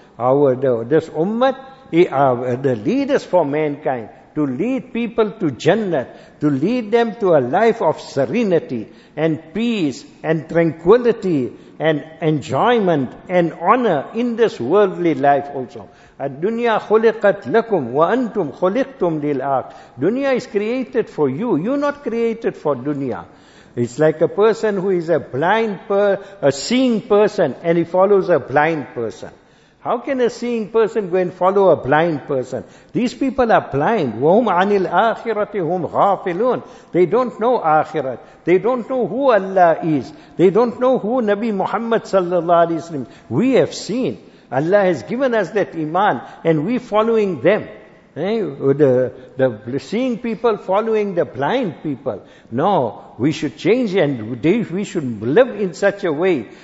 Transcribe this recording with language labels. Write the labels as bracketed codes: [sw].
[en] This ummah, we are the leaders for mankind, to lead people to Jannah, to lead them to a life of serenity and peace and tranquility and enjoyment and honor in this worldly life also. [ar] الدنيا خلقت لكم وأنتم خلقتم للآخر. [en] Dunya is created for you. You're not created for dunya. It's like a person who is a seeing person and he follows a blind person. How can a seeing person go and follow a blind person? These people are blind. [ar] وَهُمْ عَنِ الْآخِرَةِ هُمْ غَافِلُونَ [en] They don't know Akhirat. They don't know who Allah is. They don't know who Nabi Muhammad sallallahu alaihi wasallam. We have seen. Allah has given us that iman, and we following them. The seeing people following the blind people. No, we should change, and we should live in such a way.